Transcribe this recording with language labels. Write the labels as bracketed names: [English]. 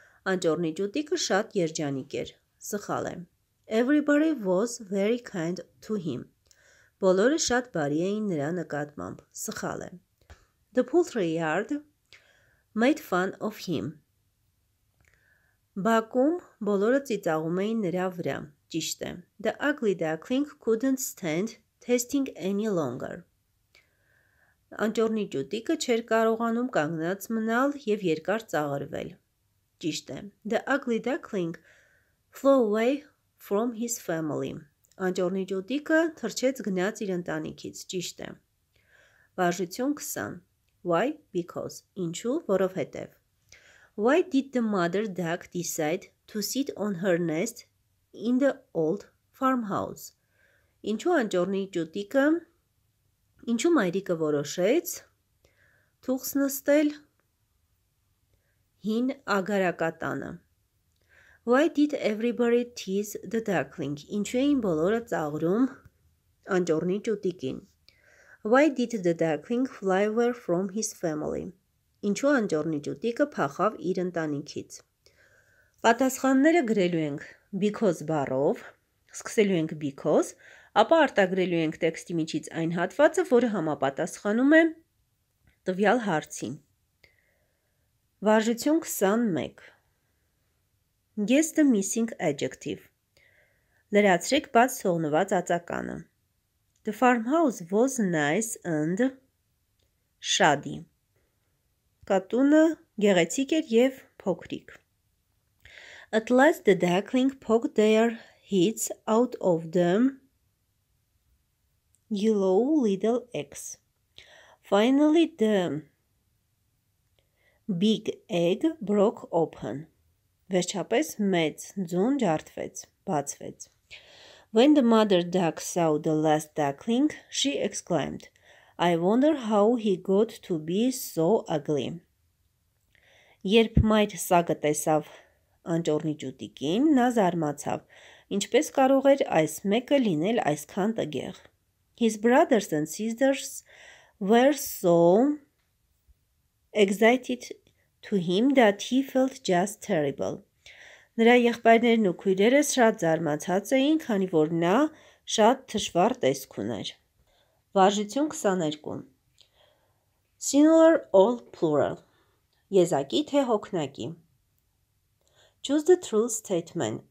[Armenian] Անճոռնի ճուտիկը շատ երջանիկ էր. Սխալ է. [English] Everybody was very kind to him. [Armenian] Բոլորը շատ բարի էին նրա նկատմամբ. Սխալ է. [English] The poultry yard made fun of him. [Armenian] Բակում բոլորը ծիծաղում էին նրա վրա. Ճիշտ է. [English] The ugly duckling couldn't stand tasting any longer. [Armenian] Անճոռնի ճուտիկը չէր կարողանում կանգնած մնալ և երկար ծաղրվել. Ճիշտ է. [English] The ugly duckling flew away from his family. [Armenian] Անճոռնի ճուտիկը թռչեց գնաց իր ընտանիքից. Ճիշտ է. Վարժություն 20. [English] Why? Because. [Armenian] Ինչու, որովհետև. [English] Why did the mother duck decide to sit on her nest in the old farmhouse? [Armenian] Ինչու անճոռնի ճուտիկը, ինչու մայրիկը որոշեց թուղթ նստել հին ագարակատանը? [English] Why did everybody tease the duckling? [Armenian] Ինչու էին բոլորը ծաղրում անճոռնի ճուտիկին? [English] Why did the duckling fly away from his family? [Armenian] Ինչու անճոռնի ճուտիկը փախավ իր ընտանիքից? Պատասխանները գրելու ենք because բառով, սկսելու ենք because, ապա արտագրելու ենք տեքստի միջից այն հատվածը, որը համապատասխանում է տվյալ հարցին. Վարժություն 21. [English] Guess the missing adjective. [Armenian] Լրացրեք բաց թողնված ածականը. [English] The farmhouse was nice and shady. [Armenian] Կատունը գեղեցիկ էր և փոքրիկ. [English] At last the duckling poked their heads out of the yellow little eggs. Finally the big egg broke open. [Armenian] Վերջապես մեծ ձուն ջարդվեց, բացվեց. [English] When the mother duck saw the last duckling, she exclaimed, I wonder how he got to be so ugly. [Armenian] Երբ մայր սագը տեսավ անճոռնի ճուտիկին, նա զարմացավ, ինչպես կարող էր այս մեկը լինել այսքան տգեղ. [English] His brothers and sisters were so excited to him that he felt just terrible. [Armenian] Նրա եղբայրներն ու քույրերը շատ զարմացած էին, քանի որ նա շատ դժվար տեսք ուներ. Վարժություն 22. [English] Singular or plural. [Armenian] Եզակի թե հոգնակի. [English] Choose the true statement.